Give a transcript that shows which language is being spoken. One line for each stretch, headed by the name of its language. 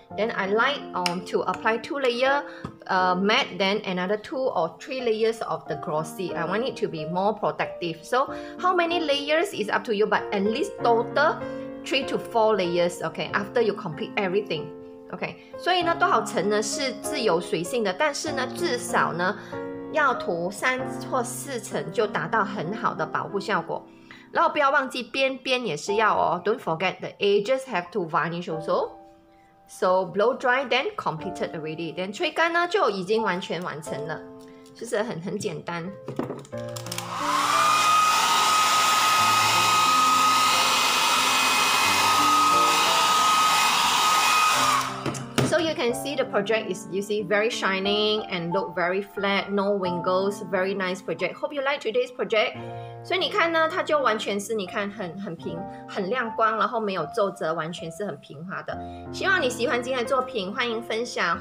English: Then I like to apply two layer matte, then another two or three layers of the glossy. I want it to be more protective. So how many layers is up to you, but at least total three to four layers. Okay, after you complete everything.
Chinese: OK， 所以呢，多少层呢是自由随性的，但是呢，至少呢要涂三或四层就达到很好的保护效果。然后不要忘记边边也是要哦 ，
English: Don't forget the edges have to varnish also. So blow dry then completed already.
Chinese: Then 吹干呢就已经完全完成了，就是很简单。
English: You can see the project is, you see, very shining and look very flat, no wrinkles, very nice project. Hope you like today's project.
Chinese: 所以你看呢，它就完全是你看很平，很亮光，然后没有皱褶，完全是很平滑的。希望你喜欢今天的作品，欢迎分享。